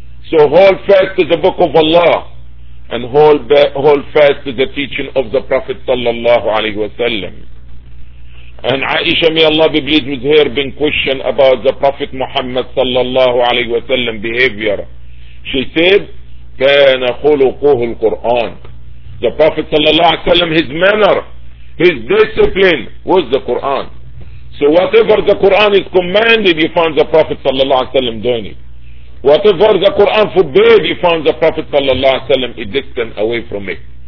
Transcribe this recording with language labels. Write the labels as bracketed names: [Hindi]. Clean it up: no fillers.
[English] So hold fast to the book of Allah and hold fast to the teaching of the Prophet sallallahu alaihi wasallam. And Aisha, may Allah be pleased with her, been questioned about the Prophet Muhammad sallallahu alaihi wasallam behavior. She said, [Arabic] كان خلقه القرآن. [English] The Prophet sallallahu alaihi wasallam, his manner, his discipline was the Quran. So whatever the Quran is commanded, you find the Prophet sallallahu alaihi wasallam doing it. Whatever the Quran forbade, you find the Prophet sallallahu alaihi wasallam a distant away from it.